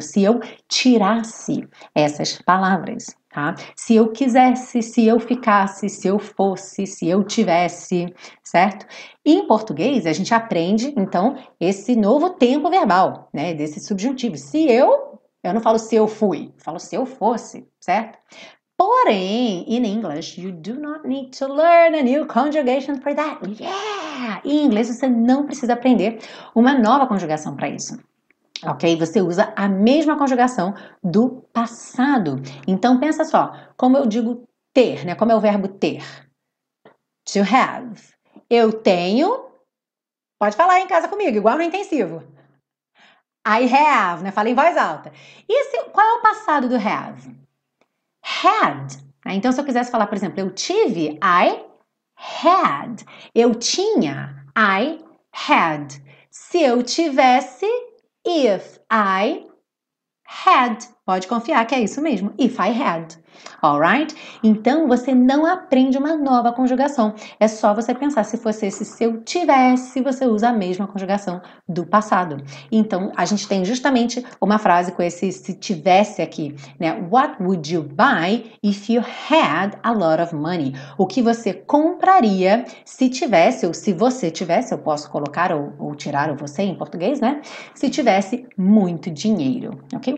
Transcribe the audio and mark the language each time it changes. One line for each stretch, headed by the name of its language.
Portuguese: Se eu tirasse essas palavras. Tá? Se eu quisesse, se eu ficasse, se eu fosse, se eu tivesse, certo? Em português, a gente aprende, então, esse novo tempo verbal, né? Desse subjuntivo. Se eu não falo se eu fui, eu falo se eu fosse, certo?
English: Porém, in English, you do not need to learn a new conjugation for that. Yeah!
Portuguese: Em inglês, você não precisa aprender uma nova conjugação para isso. Ok? Você usa a mesma conjugação do passado. Então pensa só, como eu digo ter, né? Como é o verbo ter? To have. Eu tenho. Pode falar em casa comigo, igual no intensivo. I have, né? Falei em voz alta. Qual é o passado do have? Had. Né? Então, se eu quisesse falar, por exemplo, eu tive, I had. Eu tinha, I had. Se eu tivesse. If I had, pode confiar que é isso mesmo. If I had, alright? Então você não aprende uma nova conjugação. É só você pensar se fosse esse, se eu tivesse, você usa a mesma conjugação do passado. Então a gente tem justamente uma frase com esse se tivesse aqui, né?
English: What would you buy if you had a lot of money?
Portuguese: O que você compraria se tivesse, ou se você tivesse, eu posso colocar ou tirar o você em português, né? Se tivesse muito dinheiro, ok?